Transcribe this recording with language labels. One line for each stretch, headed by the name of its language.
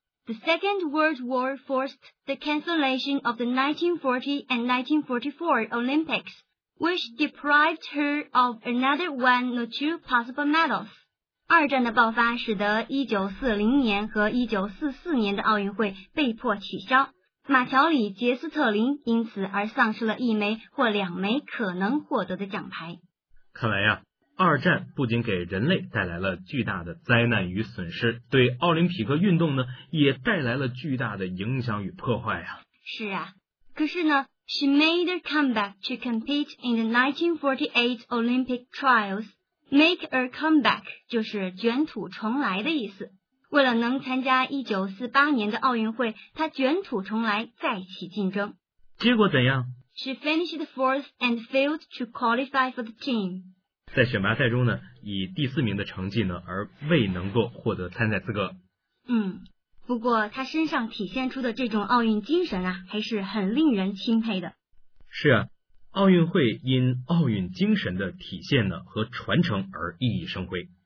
English: ？The Second World War forced the cancellation of the 1940 and 1944 Olympics, which deprived her of another one or two possible medals。
Chinese: 二战的爆发使得1940年和1944年的奥运会被迫取消，马乔里·杰斯特林因此而丧失了一枚或两枚可能获得的奖牌。看来呀，二战不仅给人类带来了巨大的灾难与损失，对奥林匹克运动呢，也带来了巨大的影响与破坏呀。是啊，可是呢
English: ，She made a comeback to compete in the 1948 Olympic Trials. Make a comeback
Chinese: 就是卷土重来的意思。为了能参加1948年的奥运会，她卷土重来，再起竞争。结果怎样？
English: She finished fourth and failed to qualify for the team.
Chinese: 在选拔赛中呢，以第四名的成绩呢，而未能够获得参赛资格。嗯，不过她身上体现出的这种奥运精神啊，还是很令人钦佩的。是啊，奥运会因奥运精神的体现呢和传承而熠熠生辉。